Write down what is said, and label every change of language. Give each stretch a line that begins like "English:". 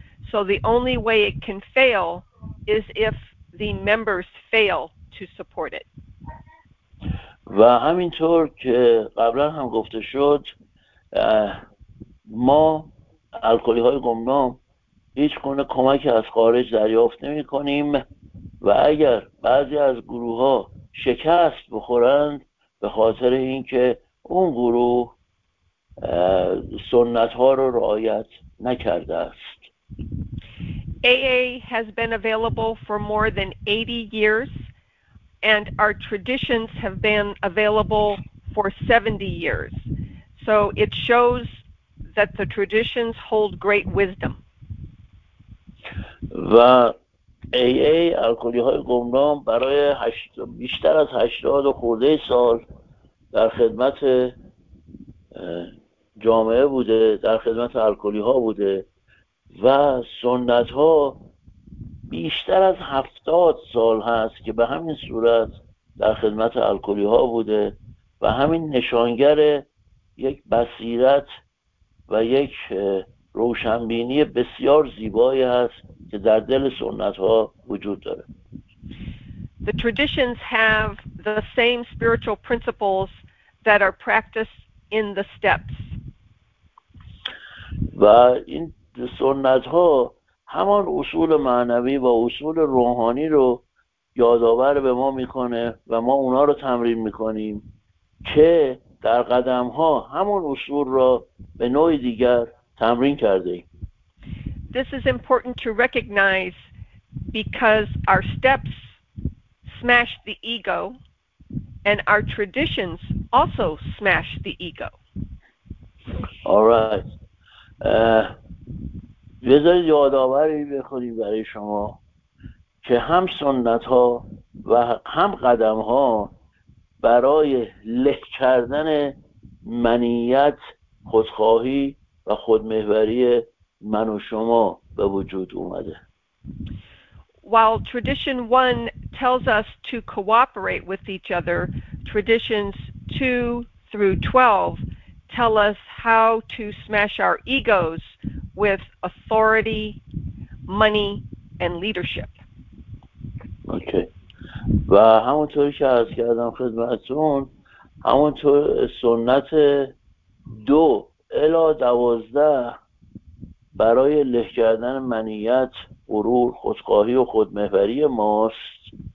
English: So the only way it can fail is if the members fail to support it.
Persian: و همینطور که قبلا هم گفته شد، ما الکلی های گمنام هیچ گونه کمک از خارج دریافت نمی کنیم و اگر بعضی از گروه ها شکست بخورند به خاطر اینکه اون گروه سنت ها رو رعایت نکرده است.
English: AA has been available for more than 80 years and our traditions have been available for 70 years. So it shows that the traditions hold great wisdom.
Persian: و AA الکلی های گمنام برای بیشتر از 80 خورده سال در خدمت جامعه بوده، در خدمت الکلی ها بوده و سنت ها بیشتر از 70 سال هست که به همین صورت در خدمت الکلی ها بوده و همین نشانگر یک بصیرت و یک روشنبینی بسیار زیبایی هست که در دل سنت ها وجود داره.
English: The traditions have the same spiritual principles that are practiced in the steps.
Persian: و این سنت ها همان اصول معنوی و اصول روحانی رو یادآور به ما میکنه و ما اونا رو تمرین میکنیم که در قدم ها همان اصول را به نوع دیگر تمرین کرده ایم.
English: This is important to recognize because our steps smash the ego and our traditions also smash the ego. All right.
Persian: بذارید یادآوری بخونیم برای شما که هم سنت ها و هم قدم ها برای له کردن منیت، خودخواهی و خودمحوری من و شما به وجود اومده.
English: While tradition 1 tells us to cooperate with each other, traditions 2 through 12 tell us how to smash our egos with authority, money, and leadership. Okay.
Persian: و همونطوری که عرض کردم خدمتتون، همونطور سنت 2 الی 12 برای له کردن منیت، غرور، خودخواهی و خودمحوری ماست